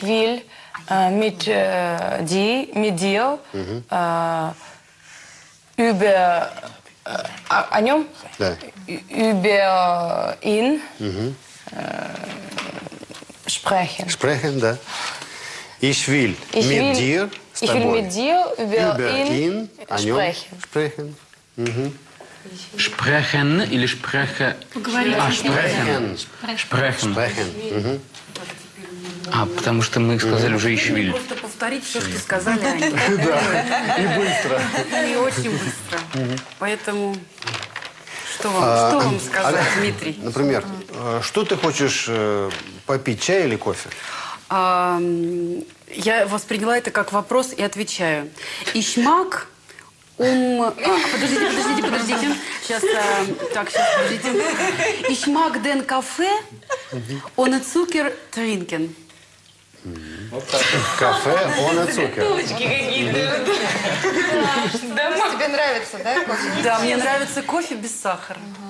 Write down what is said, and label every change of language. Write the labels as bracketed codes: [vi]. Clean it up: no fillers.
[de] Ich will mit dir über... [ru] О нем? Да. [de] Über ihn sprechen. Sprechen, да. Ich will mit dir... [ru] С тобой. [de] Ich will mit dir über ihn sprechen. Sprechen или sprechen? [ru] Поговорить. [de] Sprechen. [ru] А, потому что мы сказали уже «Ich will». Просто повторить все, что сказали они. Да, и быстро. И очень быстро. Поэтому что вам сказать, Дмитрий? Например, что ты хочешь попить, чай или кофе? Я восприняла это как вопрос и отвечаю. [de] Ich mag [ru] подождите. Сейчас подождите. [de] Ich mag den Kaffee ohne Zucker trinken. Кафе ohne Zucker. [ru] Тучки какие-то. Тебе нравится, да, кофе? Да, мне нравится кофе без сахара.